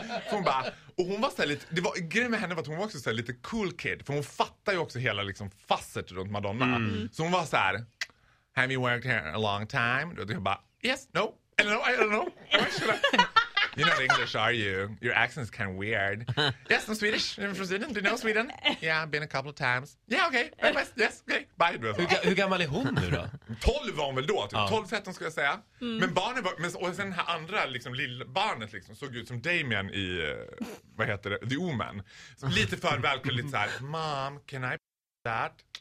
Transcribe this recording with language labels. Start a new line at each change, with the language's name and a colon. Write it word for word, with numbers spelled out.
Swedish: Hon bara, och hon var så här lite, det var grejen med henne var att hon var också så här lite cool kid, för hon fattar ju också hela liksom facet runt Madonna. Mm. Så hon var så här,
English: have you worked here a long time?
Swedish: Då jag bara,
English: yes, no, I don't know, I don't know. You're not English, are you? Your accent's kind of weird. Yes, I'm Swedish. I'm from Sweden. Do you know Sweden? Yeah, I've been a couple of times. Yeah, okay. Yes, okay. Bye.
Swedish: Hur, hur gammal är hon nu då? tolv var hon väl då, typ. Ja. tolv tretton skulle jag säga. Mm. Men barnen var... Men, och sen här andra, liksom, lillbarnet liksom, såg ut som Damien i... Vad heter det? The Omen. Lite för välkommen, lite så här...
English: Mom, can I that?